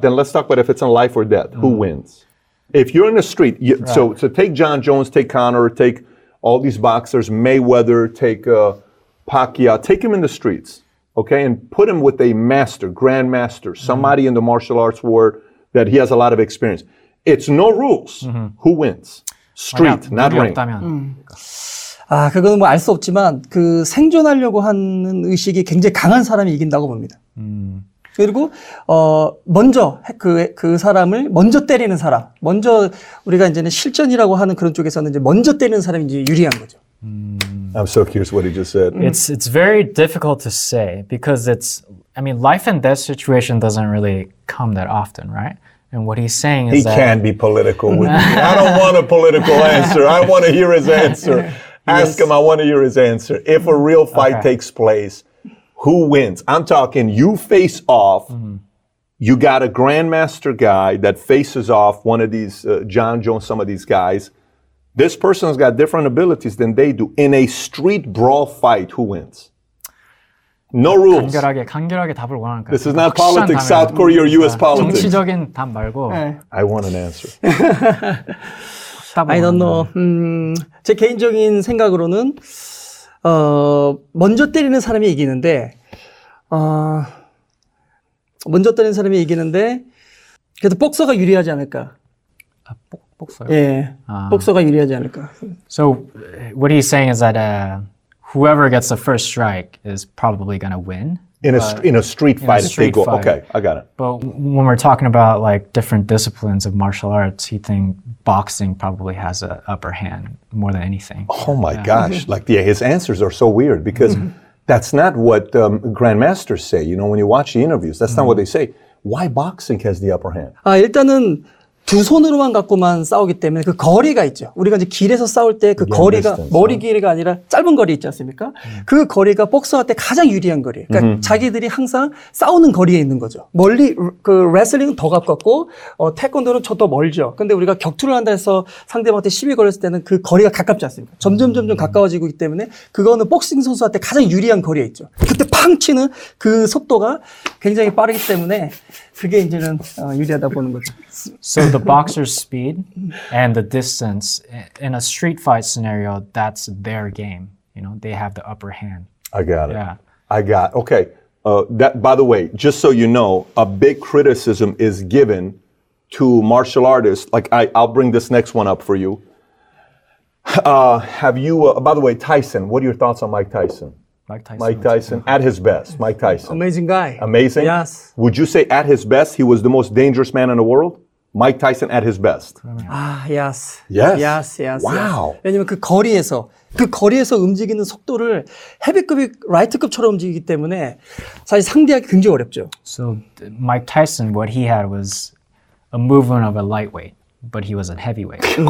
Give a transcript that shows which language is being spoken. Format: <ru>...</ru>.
<en>Then let's talk about if it's in life or death, who wins? If you're in the street, so take John Jones, take Conor, take all these boxers, Mayweather, take Pacquiao, take him in the streets, okay? And put him with a master, grandmaster, somebody in the martial arts world that he has a lot of experience. It's no rules, who wins? Street,</en> <ko>만약,</ko> <en>not ring.</en> <ko>그거는 뭐 알 수 없지만 그 생존하려고 하는 의식이 굉장히 강한 사람이 이긴다고 봅니다. 그리고 먼저 그 사람을 먼저 때리는 사람, 먼저 우리가 이제는 실전이라고 하는 그런 쪽에서는 이제 먼저 때리는 사람이 이제 유리한 거죠.</ko> <en>I'm so curious what he just said. It's very difficult to say because I mean life and death situation doesn't really come that often, right? And what he's saying is he can't be political with me. I don't want a political answer. I want to hear his answer. Ask him. I want to hear his answer. If a real fight takes place, who wins? I'm talking you face off. You got a grandmaster guy that faces off one of these John Jones, some of these guys. This person's got different abilities than they do. In a street brawl fight, who wins? No rules.</en> <ko>간결하게 답을 원하는 거예요.</ko> <en>This is not politics, South Korea or US politics.</en> <ko>정치적인 답 말고.</ko> <en>I want an answer. I don't know.</en> <ko>제 개인적인 생각으로는 먼저 때리는 사람이 이기는데 먼저 때리는 사람이 이기는데 그래도 복서가 유리하지 않을까? 아, 복서요? 예. 아. 복서가 유리하지 않을까?</ko> <en>So what he's saying is that whoever gets the first strike is probably going to win. In a street fight. Okay, I got it. But when we're talking about like different disciplines of martial arts, he thinks boxing probably has an upper hand more than anything. Oh my gosh. Like, yeah, his answers are so weird because that's not what grandmasters say. You know, when you watch the interviews, that's not what they say. Why boxing has the upper hand?</en> <ko>아, 일단은 두 손으로만 갖고만 싸우기 때문에 그 거리가 있죠. 우리가 이제 길에서 싸울 때 그 거리가 distance, 머리 길이가 아니라 짧은 거리 있지 않습니까? 그 거리가 복서할 때 가장 유리한 거리예요. 그러니까 자기들이 항상 싸우는 거리에 있는 거죠. 멀리 그 레슬링은 더 가깝고 태권도는 저 더 멀죠. 근데 우리가 격투를 한다 해서 상대방한테 시비 걸렸을 때는 그 거리가 가깝지 않습니까? 점점 가까워지고 있기 때문에 그거는 복싱 선수한테 가장 유리한 거리에 있죠. 그때 팡 치는 그 속도가 굉장히 빠르기 때문에 그게 이제는 유리하다 보는 거죠.</ko> <en>So the boxer's speed and the distance in a street fight scenario, that's their game. You know, they have the upper hand. I got it. Yeah. I got it. Okay. That, by the way, just so you know, a big criticism is given to martial artists. Like, I'll bring this next one up for you. By the way, Tyson, what are your thoughts on Mike Tyson? Mike Tyson at his best. Mike Tyson. Amazing guy. Amazing? Yes. Would you say at his best, he was the most dangerous man in the world? Mike Tyson at his best. Ah, yes. Yes. Yes, yes. Wow. Yes.</en> <ko>왜냐면 그 거리에서 움직이는 속도를 헤비급이 라이트급처럼 움직이기 때문에 사실 상대하기 굉장히 어렵죠.</ko> <en>So Mike Tyson, what he had was a movement of a lightweight, but he was a heavyweight.</en>